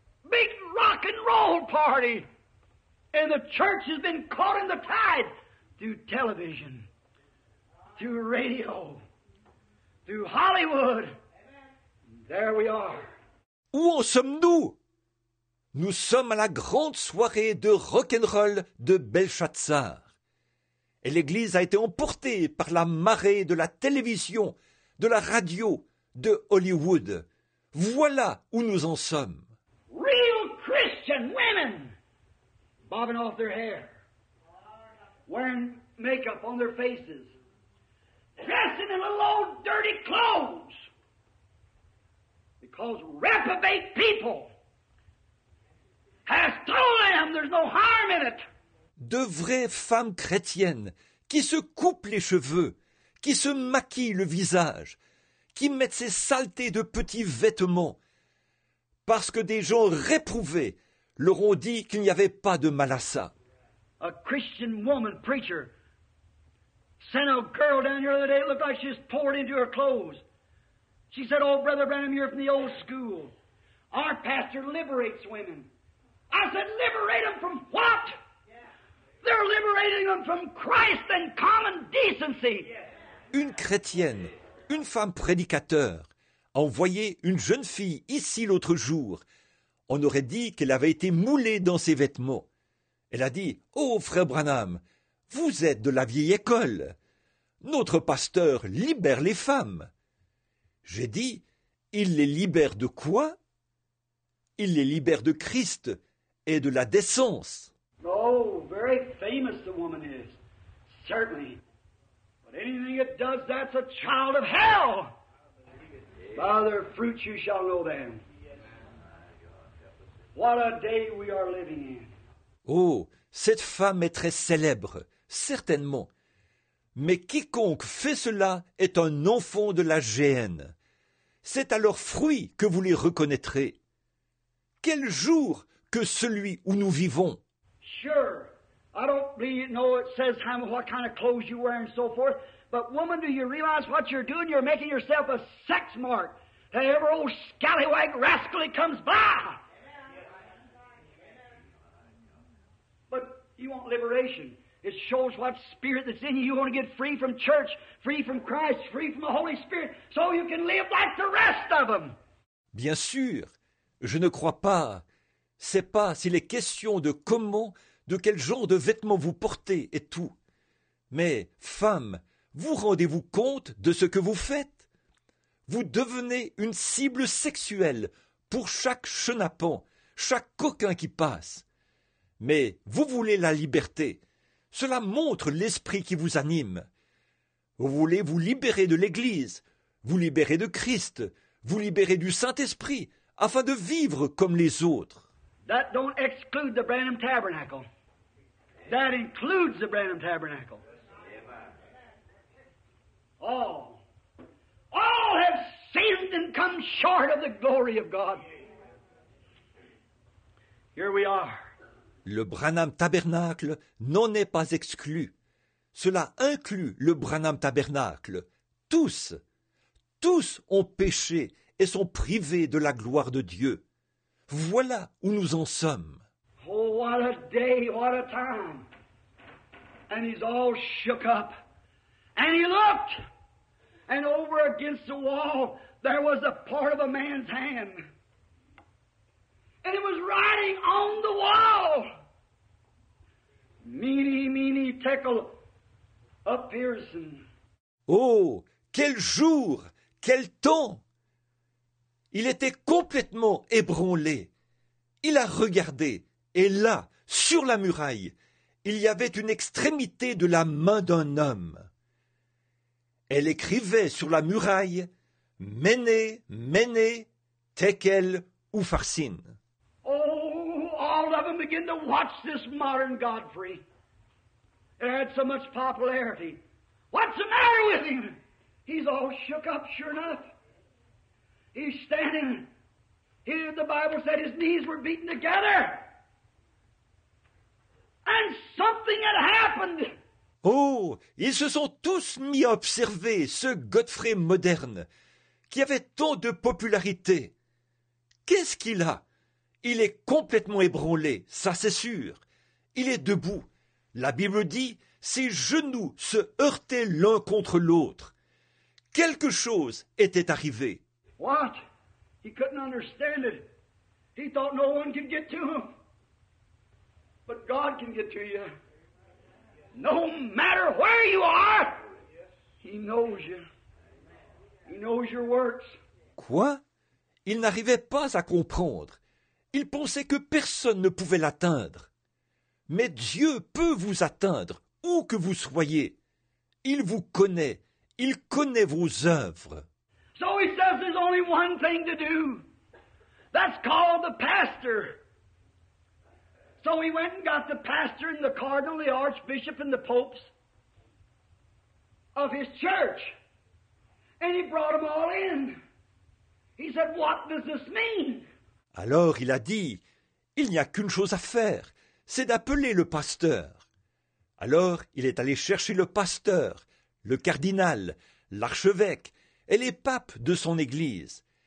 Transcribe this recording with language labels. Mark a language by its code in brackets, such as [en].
[en] Big rock and roll party, and the church has been caught in the tide through television, through radio, through Hollywood. There we are. [fr] Où en sommes-nous? Nous sommes à la grande soirée de rock and roll de Belshazzar. Et l'Église a été emportée par la marée de la télévision, de la radio, de Hollywood. Voilà où nous en sommes. [en] Real Christian women bobbing off their hair, wearing makeup on their faces, dressing in little old dirty clothes, because reprobate people have told them there's no harm in it. [fr] De vraies femmes chrétiennes qui se coupent les cheveux, qui se maquillent le visage, qui mettent ces saletés de petits vêtements, parce que des gens réprouvés leur ont dit qu'il n'y avait pas de mal à ça. [en] A Christian woman preacher sent a girl down here the other day, looked like she was poured into her clothes. She said, oh, Brother Branham, you're from the old school. Our pastor liberates women. I said, liberate them from what? They're liberating them from Christ and common decency. [fr] Une chrétienne, une femme prédicateur, envoyé une jeune fille ici l'autre jour. On aurait dit qu'elle avait été moulée dans ses vêtements. Elle a dit, « Oh, frère Branham, vous êtes de la vieille école. Notre pasteur libère les femmes. » J'ai dit, « Il les libère de quoi ? » ?»« Il les libère de Christ et de la décence. » [en] Oh, very famous the woman is, certainly. But anything it does, that's a child of hell. By their fruits you shall know them. What a day we are living in. [fr] Oh, cette femme est très célèbre, certainement. Mais quiconque fait cela est un enfant de la géhenne. C'est à leurs fruits que vous les reconnaîtrez. Quel jour que celui où nous vivons. [en] Sure, I don't believe you know it says how what kind of clothes you wear and so forth. But woman, do you realize what you're doing? You're making yourself a sex mark to every old scallywag rascal that comes by. But you want liberation. It shows what spirit that's in you. You want to get free from church, free from Christ, free from the Holy Spirit, so you can live like the rest of them. [fr] Bien sûr, je ne crois pas. C'est pas si les questions de comment, de quel genre de vêtements vous portez et tout. Mais, femme, vous rendez-vous compte de ce que vous faites? Vous devenez une cible sexuelle pour chaque chenapan, chaque coquin qui passe. Mais vous voulez la liberté. Cela montre l'esprit qui vous anime. Vous voulez vous libérer de l'Église, vous libérer de Christ, vous libérer du Saint-Esprit, afin de vivre comme les autres. [en] That don't exclude the Branham Tabernacle. That includes the Branham Tabernacle. All have sinned and come short of the glory of God. Here we are. [fr] Le Branham Tabernacle n'en est pas exclu. Cela inclut le Branham Tabernacle. Tous, Tous ont péché et sont privés de la gloire de Dieu. Voilà où nous en sommes. [en] Oh, what a day, what a time. And he's all shook up. And he looked. And over against the wall, there was a part of a man's hand. And it was writing on the wall. Meeny, meeny, tickle, a piercing. [fr] Oh, quel jour, quel temps! Il était complètement ébranlé. Il a regardé, et là, sur la muraille, il y avait une extrémité de la main d'un homme. Elle écrivait sur la muraille « Mene, Mene, Tekel, Upharsin ». [en] Oh, all of them begin to watch this modern Godfrey. It had so much popularity. What's the matter with him? He's all shook up, sure enough. He's standing. Here the Bible said his knees were beaten together. And something had happened. [fr] Oh, ils se sont tous mis à observer ce Godfrey moderne qui avait tant de popularité. Qu'est-ce qu'il a? Il est complètement ébranlé, ça c'est sûr. Il est debout. La Bible dit, ses genoux se heurtaient l'un contre l'autre. Quelque chose était arrivé. [en] What? He couldn't understand it. He thought no one could get to him. But God can get to you. No matter where you are, he knows you. He knows your works. [fr] Quoi? Il n'arrivait pas à comprendre. Il pensait que personne ne pouvait l'atteindre. Mais Dieu peut vous atteindre, où que vous soyez. Il vous connaît. Il connaît vos œuvres. [en] So he says there's only one thing to do. That's called the pastor. So he went and got the pastor and the cardinal, the archbishop and the popes of his church. And he brought them all in. He said, what does this mean? [fr] Alors il a dit, il n'y a qu'une chose à faire, c'est d'appeler le pasteur. Alors il est allé chercher le pasteur, le cardinal, l'archevêque et les papes de son église.